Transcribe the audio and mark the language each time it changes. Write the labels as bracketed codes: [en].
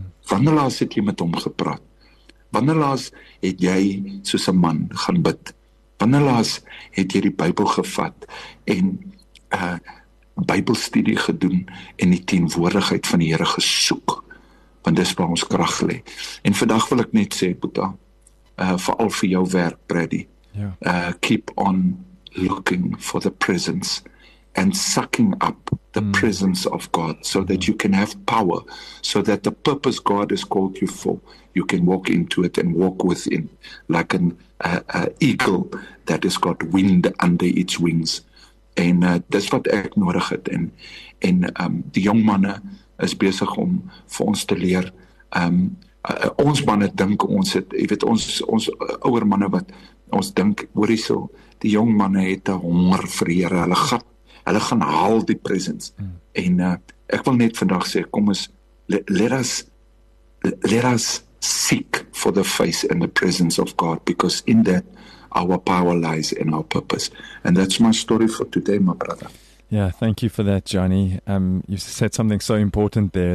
[af] Wanneer laas het jy met hom gepraat? Wanneer laas het jy soos 'n man gaan bid? Wanneer laas het jy die Bybel gevat en Bybelstudie gedoen en die teenwoordigheid van die Here gesoek? Want dis waar ons krag lê. En vandag wil ek net sê, Boeta, vooral vir jou werk, [en] Brady, keep on looking for the presence and sucking up the presence of God so that you can have power, so that the purpose God has called you for, you can walk into it and walk within like an eagle that has got wind under its wings. [af] En dis wat ek nodig het. En die jong manne is besig om vir ons te leer. Ons manne dink ons het, jy weet, ons ouer manne wat ons dink, hoorie so, die jong manne het 'n honger vir die Here, hulle gaan haal die presence. Ek wil net vandag sê, kom ons, [en] let us seek for the face and the presence of God, because in that our power lies and our purpose. And that's my story for today, my brother. Yeah, thank you for that, Johnny. You said something so important there.